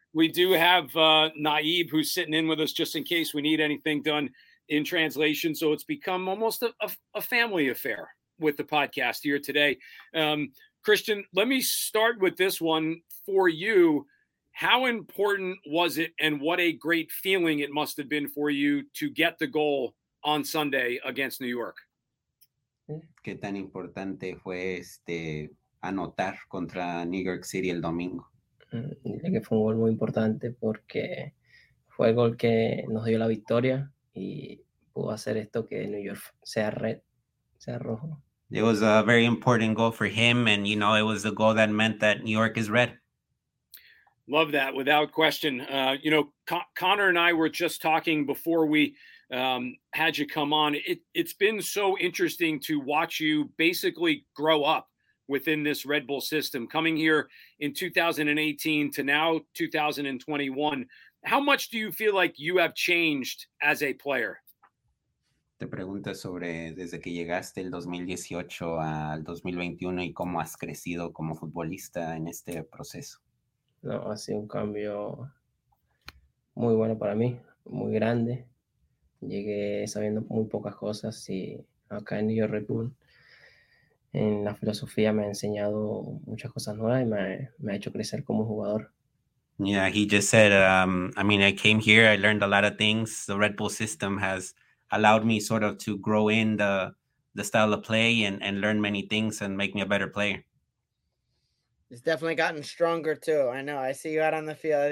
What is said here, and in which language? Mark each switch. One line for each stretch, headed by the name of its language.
English: We do have Naib who's sitting in with us just in case we need anything done in translation. So it's become almost a family affair. with the podcast here today. Cristian, let me start with this one for you. How important was it, and what a great feeling it must have been for you to get the goal on Sunday against New York?
Spanish: ¿Qué tan importante fue este anotar contra New York City el domingo? Dice que fue un gol muy importante porque fue el gol que nos dio la victoria y pudo hacer esto que New York sea red, sea rojo.
English: It was a very important goal for him, and you know, it was the goal that meant that New York is red. Love that, without question. You know, Connor and I were just talking before we had you come on. It's been so interesting to watch you basically grow up within this Red Bull system, coming here in 2018 to now 2021. How much do you feel like you have changed as a player?
Spanish: Te preguntas sobre desde que llegaste el 2018 al 2021 y cómo has crecido como futbolista en este proceso. No, ha sido un cambio muy bueno para mí, muy grande. Llegué sabiendo muy pocas cosas y acá en New York Red Bull, en la filosofía, me ha enseñado muchas cosas nuevas y me ha hecho crecer como jugador.
English: Yeah, he just said, I came here, I learned a lot of things. The Red Bull system has allowed me sort of to grow in the style of play and learn many things and make me a better player. It's definitely gotten stronger too. I know. I see you out on the field.